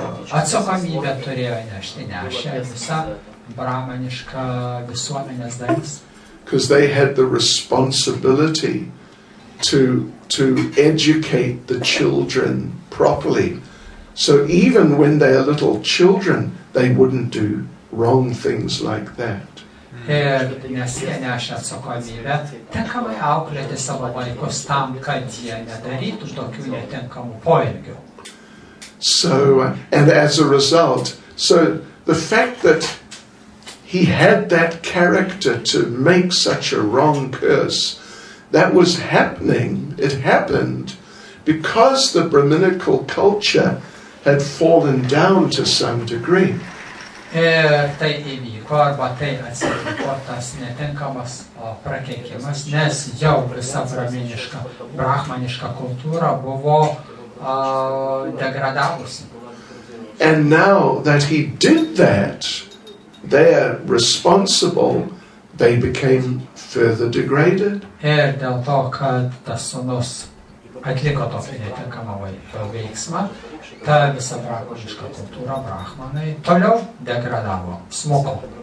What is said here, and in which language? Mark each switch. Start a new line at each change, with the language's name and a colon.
Lithuanian: Atsakomybę turėjo nešti visa brahmaniška visuomenės dalis.
English: Because they had the responsibility to educate the children properly. So even when they are little children, they wouldn't do wrong things like that.
Lithuanian: Ir nes jie nešė atsakomybę tinkamai auklėti savo vaikus tam, kad jie nedarytų tokių netinkamų poelgių.
English: So, and as a result, so the fact that he had that character to make such a wrong curse, that was happening, it happened, because the Brahminical culture had fallen down to some degree.
Lithuanian: Ir tai įvyko, arba tai atsitiko tas netinkamas prakeikimas, nes jau visa brahmaniška kultūra buvo degradavusi.
English: And now that he did that, they are responsible, they became further degraded.
Lithuanian: Ir dėl to, kad tas sūnus atliko tokį netinkamą veiksmą, ta visa brahmaniška kultūra, brahmanai, toliau degradavo, smuko.